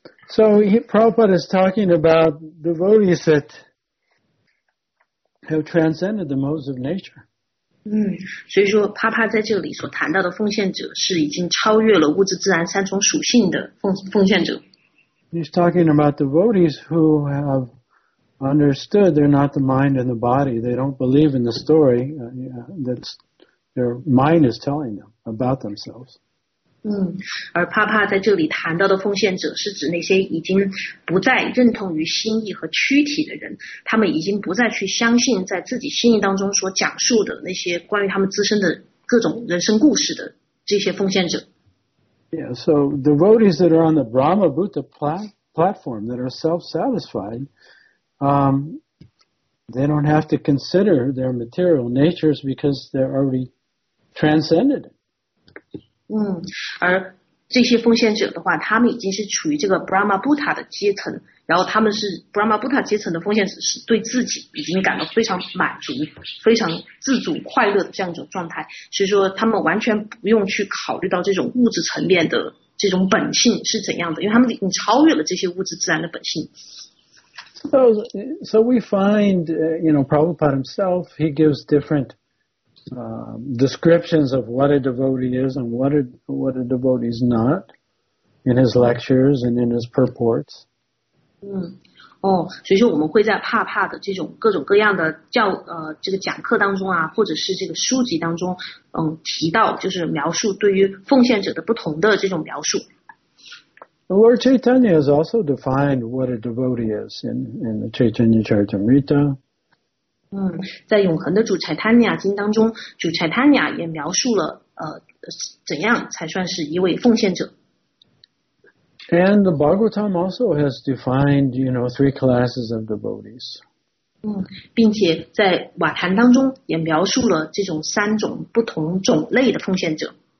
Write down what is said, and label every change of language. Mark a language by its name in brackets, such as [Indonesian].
[English] So Prabhupada is talking about devotees that have transcended the modes of nature. [Chinese] 所以说帕帕在这里所谈到的奉献者是已经超越了物质自然三重属性的奉献者。 [English] He's talking about devotees who have understood they're not the mind and the body. They don't believe in the story that their mind is telling them about themselves. [Chinese] 而帕帕在这里谈到的奉献者是指那些已经不再认同于心意和躯体的人他们已经不再去相信在自己心意当中所讲述的那些关于他们自身的各种人生故事的这些奉献者 [English] Yeah, so devotees that are on the Brahma Bhuta platform that are self-satisfied they don't have to consider their material natures because they're already transcended [Chinese] 而这些奉献者的话，他们已经是处于这个 Brahma Buddha 的阶层，然后他们是 Brahma Buddha 阶层的奉献者，是对自己已经感到非常满足、非常自主快乐的这样一种状态，所以说他们完全不用去考虑到这种物质层面的这种本性是怎样的，因为他们已经超越了这些物质自然的本性。 [English] So we find, you know, Prabhupada himself, he gives different descriptions of what a devotee is and what a devotee is not in his lectures and in his purports. [Chinese] 嗯，哦，所以说我们会在帕帕的这种各种各样的教这个讲课当中啊，或者是这个书籍当中，嗯，提到就是描述对于奉献者的不同的这种描述。 [English] Lord Chaitanya has also defined what a devotee is in the Chaitanya Charitamrita. [Chinese] 嗯，在永恒的主柴坦尼亚经当中，主柴坦尼亚也描述了怎样才算是一位奉献者。 [English] And the Bhagavatam also has defined, you know, three classes of devotees. [Chinese] 嗯，并且在瓦坛当中也描述了这种三种不同种类的奉献者。